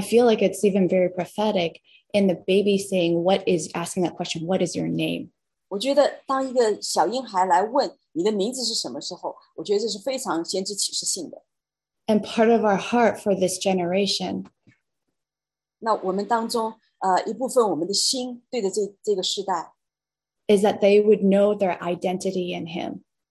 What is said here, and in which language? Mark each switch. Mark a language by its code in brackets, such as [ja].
[en] feel like it's even very prophetic in the baby saying, "What is asking that question? What is your name?" [zh] 我觉得当一个小婴孩来问你的名字是什么时候，我觉得这是非常先知启示性的。 [en] And part of our heart for this generation. [zh] 那我们当中, 一部分我们的心对着这个世代, [en] is that they would know their identity in him.